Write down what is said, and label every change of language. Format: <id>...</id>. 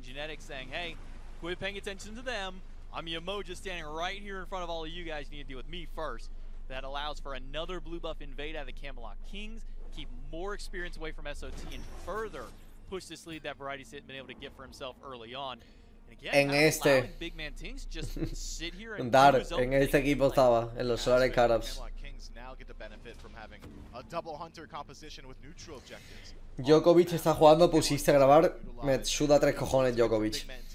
<en>And Genetics saying, hey, quit paying attention to them. I'm Yamoja standing right here in front of all of you guys. You need to deal with me first. That allows for another blue buff invade out of the Camelot Kings. Keep more experience away from SOT and further push this lead that Variety's been able to get for himself early on.</en> <es>En este.</es> <en>Big man Tings just sit here and</en> <es>Dar, en este equipo estaba, en los Solar Scarabs.</es> <en>Kings now get the benefit from having a double hunter composition with neutral objectives.</en> <es>Djokovic está jugando, pusiste a grabar, me suda tres cojones Djokovic.</es>